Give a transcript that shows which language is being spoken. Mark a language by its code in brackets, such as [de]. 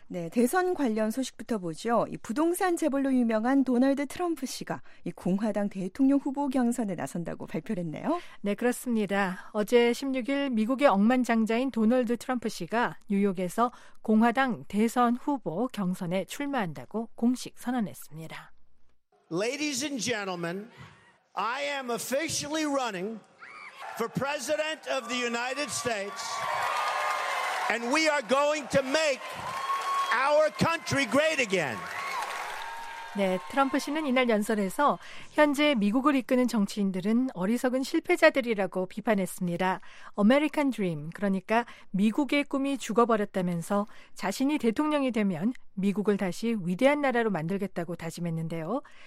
[ko] 네, 대선 관련 소식부터 보죠. 이 부동산 재벌로 유명한 도널드 트럼프 씨가 이 공화당 대통령 후보 경선에 나선다고 발표를 했네요. 네, 그렇습니다. 어제 16일 미국의 억만장자인 도널드 트럼프 씨가 뉴욕에서 공화당 대선 후보 경선에 출마한다고 공식 선언했습니다. [en] Ladies and gentlemen, I am officially running for president of the United States, and we are going to make our country great again. [ko] 네, 트럼프 씨는 이날 연설에서 현재 미국을 이끄는 정치인들은 어리석은 실패자들이라고 비판했습니다. American Dream, 그러니까 미국의 꿈이 죽어버렸다면서 자신이 대통령이 되면 미국을 다시 위대한 나라로 만들겠다고 다짐했는데요.